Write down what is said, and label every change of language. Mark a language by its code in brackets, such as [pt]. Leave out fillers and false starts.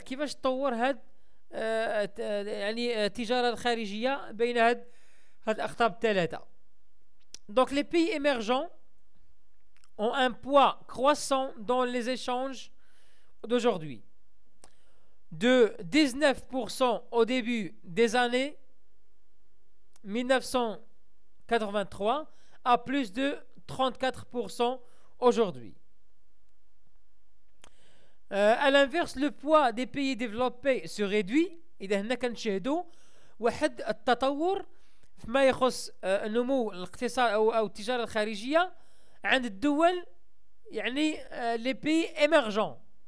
[ar] كيفاش تطور هاد يعني التجارة الخارجية بين هاد الأقطاب الثلاثة. [fr] Donc les pays émergents ont un poids croissant dans les échanges d'aujourd'hui. De 19% au début des années 1983 à plus de 34% aujourd'hui. À l'inverse, le poids des pays développés se réduit. [ar] إذا هنا كنشاهدوا واحد التطور فيما يخص النمو الاقتصادي او التجاره الخارجيه عند الدول يعني لي بي ايمرجون.